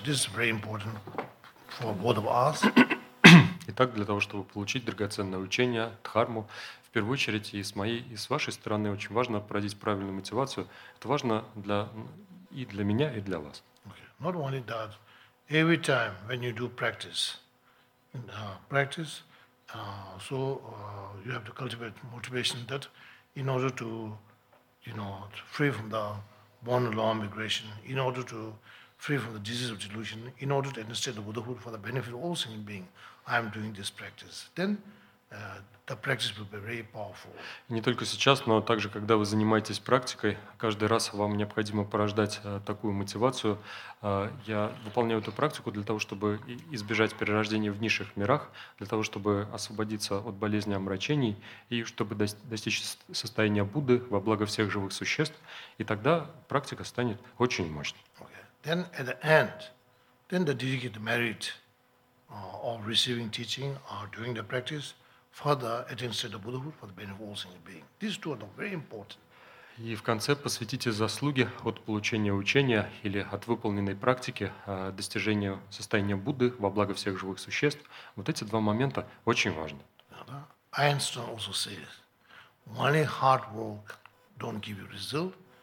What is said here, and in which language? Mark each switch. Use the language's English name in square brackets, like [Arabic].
[English] This is very important for both of us. [Russian] Итак, для того, чтобы получить драгоценное учение, дхарму, в первую очередь и с моей, и с вашей стороны, очень важно проявить правильную мотивацию. Это важно для, и для меня, и для вас. [English] Okay. Not only that, every time when you do practice, you have to cultivate motivation that in order to, you know, free from the born law migration, in order to free from the disease of delusion, in order to understand the Buddhahood for the benefit of all sentient beings, I am doing this practice. Then the practice will be very powerful. [Russian] Не только сейчас, но также когда вы занимаетесь практикой, каждый раз вам необходимо порождать такую мотивацию. Я выполняю эту практику для того, чтобы избежать перерождения в низших мирах, для того, чтобы освободиться от болезни омрачений и чтобы достичь состояния Будды во благо всех живых существ. И тогда практика станет очень мощной. [English] Okay. Then at the end, then the dedicated merit of receiving teaching or doing the practice further attained the Buddhahood for the benefit of all sentient beings. These two are very important. [Russian] И в конце посвятите заслуги от получения учения или от выполненной практики достижения состояния Будды во благо всех живых существ. Вот эти два момента очень важны. [English] Einstein also says, only hard work don't give you result.